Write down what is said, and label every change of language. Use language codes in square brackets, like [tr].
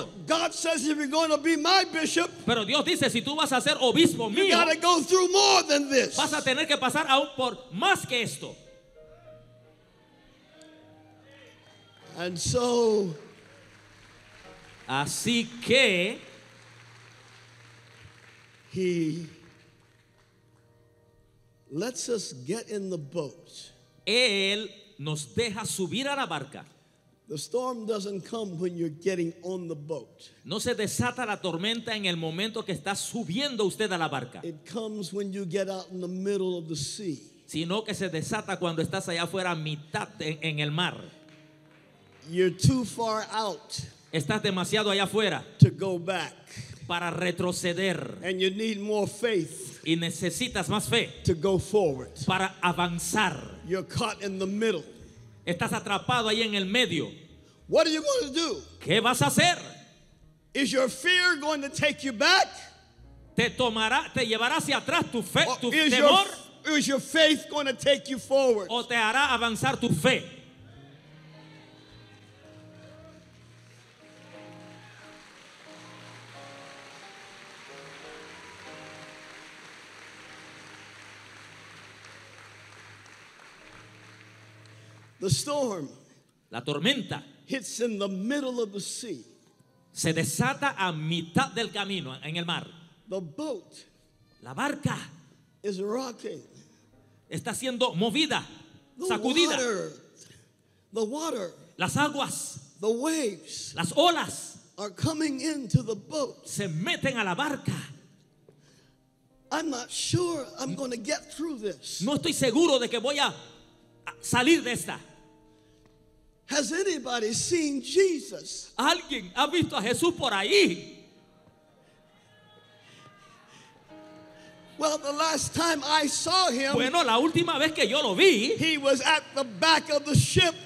[en] But God says if you're going to be my bishop, [es] pero Dios dice si tú vas a ser obispo mío, [en] you got to go through more than this. [es] Vas a tener que pasar aún por más que esto. [en] And so, [es] así que, [en] he lets us get in the boat. [es] Él nos deja subir a la barca. [en] The storm doesn't come when you're getting on the boat. [es] No se desata la tormenta en el momento que está subiendo usted a la barca. [en] It comes when you get out in the middle of the sea. [es] Sino que se desata cuando estás allá afuera a mitad en el mar. [en] You're too far out. [es] Estás demasiado allá afuera. [en] To go back. [es] Para retroceder. [en] And you need more faith. [es] Y necesitas más fe. [en] To go forward. [es] Para avanzar. [en] You're caught in the middle. [es] Estás atrapado ahí en el medio. [en] What are you going to do? [es] ¿Qué vas a hacer? [en] Is your fear going to take you back? [es] ¿Te tomará, te llevará hacia atrás tu fe, tu temor? [en] Is your faith going to take you forward? [es] ¿O te hará avanzar tu fe? [en] The storm, [es] la tormenta, [en] hits in the middle of the sea. [es] Se desata a mitad del camino en el mar. [en] The boat, [es] la barca, [en] is rocking. [es] Está siendo movida, sacudida. [en] The water, [es] las aguas, [en] the waves, [es] las olas, [en] are coming into the boat. [es] Se meten a la barca. [en] I'm not sure I'm going to get through this. [es] No estoy seguro de que voy a salir de esta. [en] Has anybody seen Jesus? [es] ¿Alguien ha visto a Jesús por ahí? [en] Well, the last time I saw him, [es] bueno, la última vez que yo lo vi, [en] he was at the back of the ship.